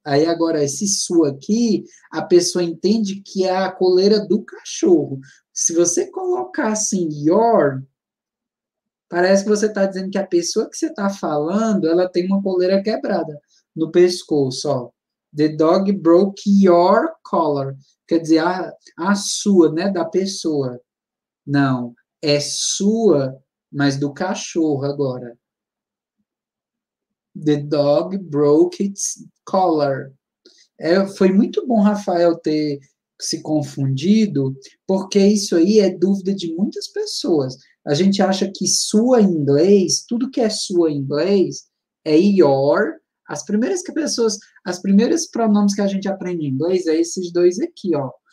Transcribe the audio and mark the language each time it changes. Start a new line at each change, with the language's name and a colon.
Portuguese: Aí agora, esse sua aqui, a pessoa entende que é a coleira do cachorro. Se você colocar assim, your, parece que você está dizendo que a pessoa que você está falando, ela tem uma coleira quebrada no pescoço, ó.
English: The dog broke your collar.
Portuguese: Quer dizer, a sua, né, da pessoa. Não, é sua, mas do cachorro agora.
English: The dog broke its collar.
Portuguese: Foi muito bom, Rafael, ter se confundido, porque isso aí é dúvida de muitas pessoas. A gente acha que sua em inglês, tudo que é sua em inglês, é your. As primeiros pronomes que a gente aprende em inglês é esses dois aqui, ó.